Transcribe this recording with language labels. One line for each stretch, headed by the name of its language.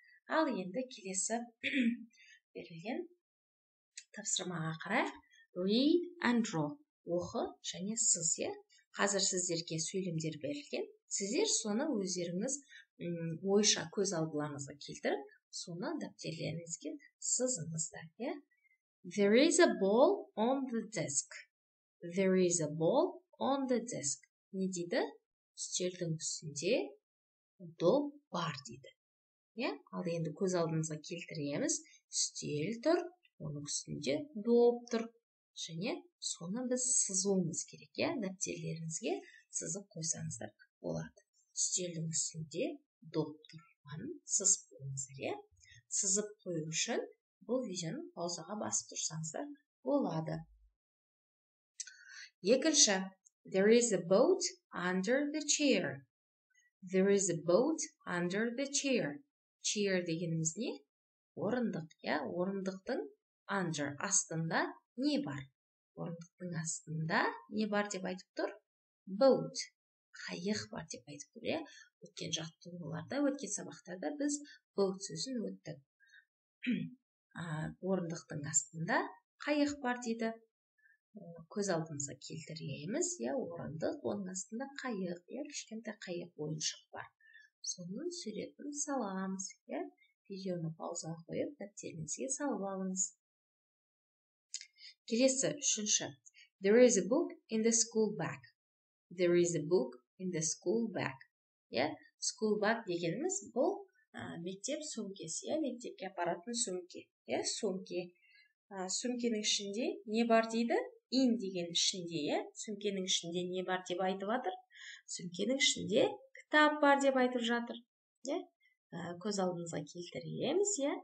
Kazakh: Ал енді келесі берілген тапсырмаға қарайық.
English: Read and draw.
Kazakh: Оқы және сіз, yeah? Қазір сіздерге сөйлемдер берілген. Сіздер соны өздеріңіз ойша көз алдыларыңызға келтіріп, соны дәптерлеріңізге сызыңызда.
English: Yeah? There is a ball on the desk. There is a ball on the desk.
Kazakh: Не дейді? Үстелдің үстінде доп бар дейді.
English: Yeah?
Kazakh: Ал енді көз алдыңызға келтіреміз. Үстел тұр, оның үстінде доп тұр. Және соны біз сызуымыз керек. Yeah? Дәптерлеріңізге сызып қойсаңыздар болады. Үстелдің үстінде доп тұр. Сызып қойыңыздар, е? Сызып қою үшін бұл видеоны паузаға басып тұрсаңыздар болады.
English: Екінші, there is a boat under the chair. There is a boat under the chair.
Kazakh: Chair дегеніміз не? Орындық, е? Орындықтың under, астында не бар? Орындықтың астында не бар деп айтып тұр?
English: Boat.
Kazakh: Қайық бар деп айтып тұр, е? Өткен жаттығуларда, өткен сабақтарда біз boat сөзін өттік. Орындықтың астында қайық бар дейді. көз алдымызға келтіреміз, я орындық, оның астында қайық, я кішкентай қайық ойыншық бар. Соның суретін саламыз, я видеоны пауза қойып, дәптерімізге салып алыңыз. Келесі үшінші.
English: There is a book in the school bag. There is a book in the school bag.
Kazakh: School bag дегеніміз бұл мектеп сөмкесі. Мектепке апаратын сөмке. Сөмке. Сөмкенің ішінде не бар дейді? In деген ішінде. Сөмкенің ішінде не бар деп айтып жатыр? Сөмкенің ішінде кітап бар деп айтып жатыр. Көз алдымызға келтіреміз.